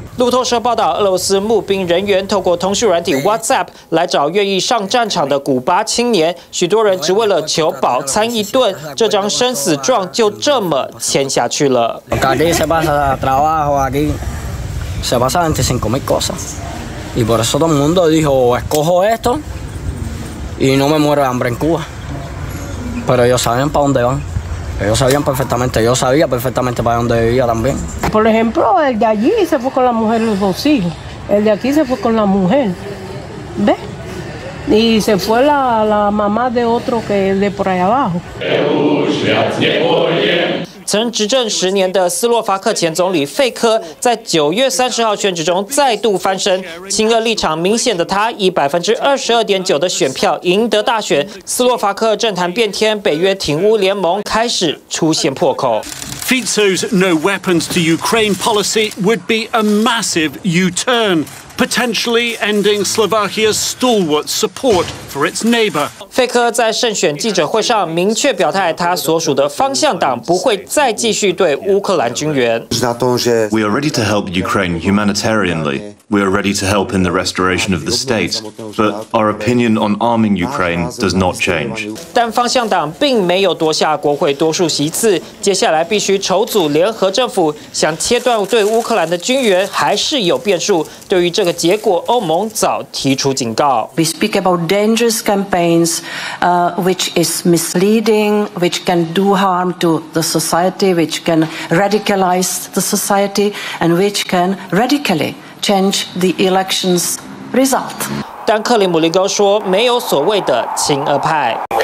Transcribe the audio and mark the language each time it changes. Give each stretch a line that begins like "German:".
Chinese: 路透社报道，俄罗斯募兵人员透过通讯软体 WhatsApp 来找愿意上战场的古巴青年，许多人只为了求饱餐一顿，这张生死状就这么签下去了。
Spanish: Porque aquí se pasa trabajo, aquí se pasa 25,000 cosas, y por eso todo el mundo dijo escojo esto y no me muero de hambre en Cuba, pero ellos saben para dónde van. Ellos sabían perfectamente, yo sabía perfectamente para dónde vivía también. Por ejemplo, el de allí se fue con la mujer y los dos hijos. El de aquí se fue con la mujer. ¿Ves? Y se fue la mamá de otro que es de por allá abajo.
Chinese: 曾执政十年的斯洛伐克前总理费科在9月30号选举中再度翻身，亲俄立场明显的他以22.9%的选票赢得大选，斯洛伐克政坛变天，北约挺乌联盟开始出现破口。
English: Fico's no weapons to Ukraine policy would be a massive U-turn. Potentially ending Slovakia's stalwart support for its neighbor.
Chinese: 费科在胜选记者会上明确表态，他所属的方向党不会再继续对乌克兰军援。
English: We are ready to help Ukraine humanitarianly. We are ready to help in the restoration of the state. But our opinion on arming Ukraine does not change.
Chinese: 但方向党并没有夺下国会多数席次，接下来必须筹组联合政府，想切断对乌克兰的军援还是有变数。对于这个结果，欧盟早提出警告。
English: We speak about dangerous campaigns, which is misleading, which can do harm to the society, which can radicalize the society, and which can radically change the election's result.
Chinese: 但克里姆林宫说，没有所谓的亲俄派。